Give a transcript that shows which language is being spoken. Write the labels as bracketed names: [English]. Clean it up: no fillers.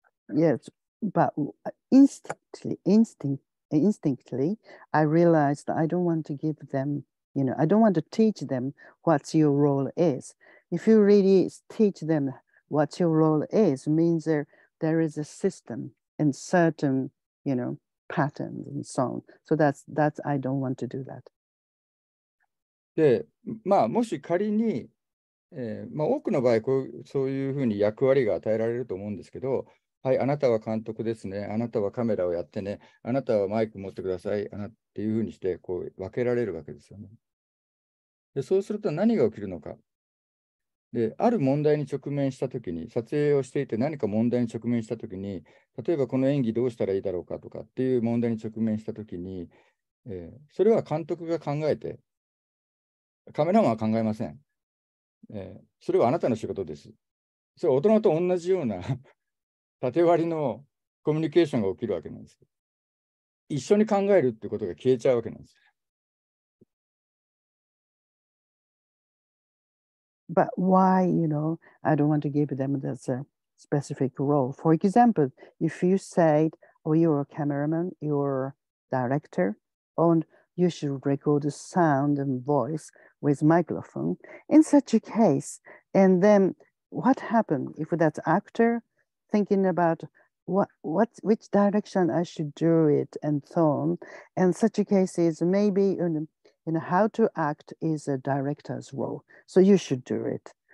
[English] Yes, but instinctly, I realized I don't want to give them, you know, I don't want to teach them what your role is. If you really teach them what your role is, means there is a system and certain, you know,patterns and so on. So that's I don't want to do that. [Japanese] で、まあ、もし仮に、まあ、多くの場合こう、そういうふうに役割が与えられると思うんですけど、はい、あなたは監督ですね、あなたはカメラをやってね、あなたはマイク持ってください、っていうふうにしてこう分けられるわけですよね。で、そうすると何が起きるのか。で、ある問題に直面したときに、撮影をしていて何か問題に直面したときに、例えばこの演技どうしたらいいだろうかとかっていう問題に直面したときに、それは監督が考えて、カメラマンは考えません。それはあなたの仕事です。それは大人と同じような縦割りのコミュニケーションが起きるわけなんです。一緒に考えるってことが消えちゃうわけなんです。 [English] But why, you know, I don't want to give them that specific role. For example, if you said, oh, you're a cameraman, you're a director, and you should record the sound and voice with microphone, in such a case, and then what happened if that actor thinking about what which direction I should do it and so on, and such a case is maybe, you know, how to act is a director's role, so you should do it.